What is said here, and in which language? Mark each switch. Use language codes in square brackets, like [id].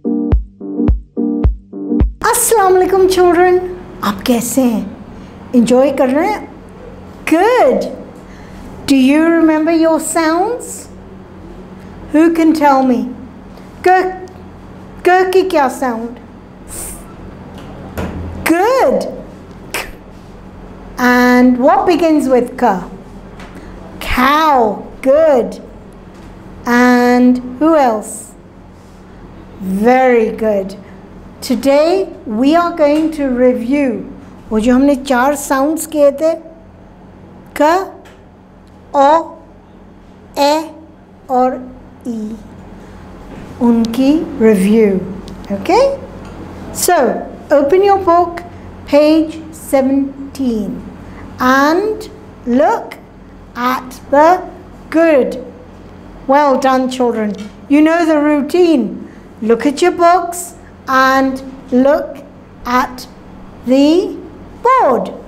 [hi] Assalamualaikum children, आप कैसे हैं? Enjoy कर रहे हैं? [en] Good. Do you remember your sounds? Who can tell me? [hi] क की क्या sound? [en] Good. And what begins with क? Cow. Good. And who else? Very good. Today we are going to review. [hi] वो जो हमने चार sounds किए थे, क, ओ, ए और ई, उनकी review. [en] Okay? So open your book, page 17, and look at the good. Well done, children. You know the routine. Look at your books and look at the board.